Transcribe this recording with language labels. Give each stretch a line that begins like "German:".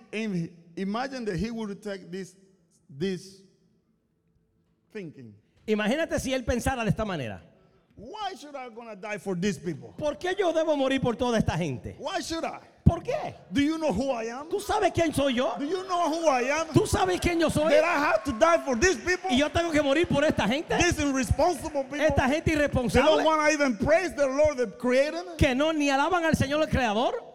English: And imagine that he would take this thinking.
Spanish: Imagínate si él pensara de esta manera.
English: Why should I gonna die for these people?
Spanish: ¿Por qué yo debo morir por toda esta gente?
English: Why should I?
Spanish: ¿Por qué?
English: Do you know who I am?
Spanish: ¿Tú sabes quién soy yo?
English: Do you know who I am?
Spanish: ¿Tú sabes quién yo soy?
English: That I have to die for these people?
Spanish: ¿Y yo tengo que morir por esta gente?
English: These irresponsible people.
Spanish: Esta gente irresponsable.
English: They don't want to even praise the Lord that created them.
Spanish: ¿Que no ni alaban al Señor el creador?